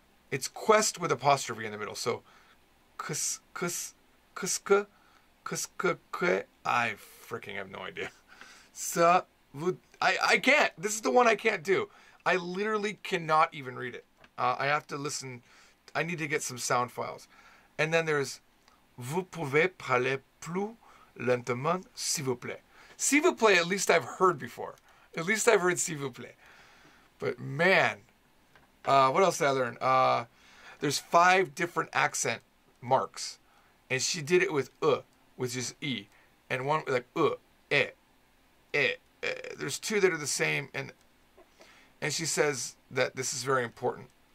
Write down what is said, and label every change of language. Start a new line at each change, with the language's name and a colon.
English: It's quest with apostrophe in the middle. So, kus, kus, kuska. Kuskukwe, I freaking have no idea. So, I can't. This is the one I can't do. I literally cannot even read it. I have to listen. I need to get some sound files. And then there's,
French: vous pouvez parler plus lentement, s'il vous plaît. S'il vous plaît,
English: at least I've heard before. At least I've heard
French: s'il vous plaît.
English: But man, what else did I learn? There's 5 different accent marks. And she did it with which is E. And one like there's 2 that are the same. And she says that this is very important.